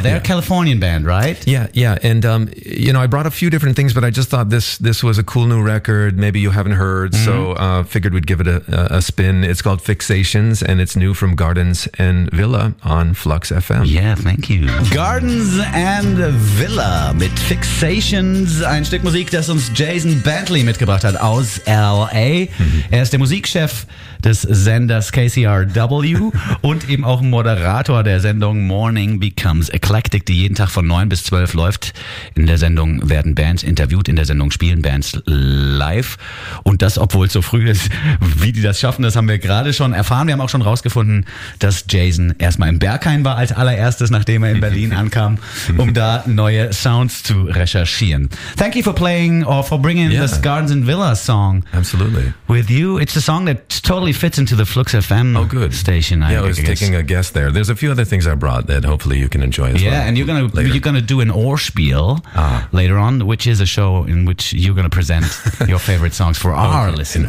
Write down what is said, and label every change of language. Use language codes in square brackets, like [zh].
[en] They're yeah. a Californian band, right? Yeah, yeah. And, you know, I brought a few different things, but I just thought this was a cool new record. Maybe you haven't heard. Mm-hmm. So figured we'd give it a spin. It's called Fixations, and it's new from Gardens and Villa on Flux FM. Yeah, thank you. [de] Gardens and Villa mit Fixations. Ein Stück Musik, das uns Jason Bentley mitgebracht hat aus L.A. Mm-hmm. Er ist der Musikchef des Senders KCRW und eben auch Moderator der Sendung Morning Becomes Eclectic, die jeden Tag von 9 bis 12 läuft. In der Sendung werden Bands interviewt, in der Sendung spielen Bands live. Und das, obwohl es so früh ist, wie die das schaffen, das haben wir gerade schon erfahren. Wir haben auch schon rausgefunden, dass Jason erstmal in Berghain war als allererstes, nachdem er in Berlin ankam, um da neue Sounds zu recherchieren. [en] Thank you for playing or for bringing yeah. this Gardens and Villas song. Absolutely. With you. It's a song that totally fits into the Flux FM oh, good. Station. Yeah, I was taking a guess there. There's a few other things I brought that hopefully you can enjoy as yeah, well. Yeah, and you're gonna do an Orspiel later on, which is a show in which you're going to present your favorite songs for our listeners.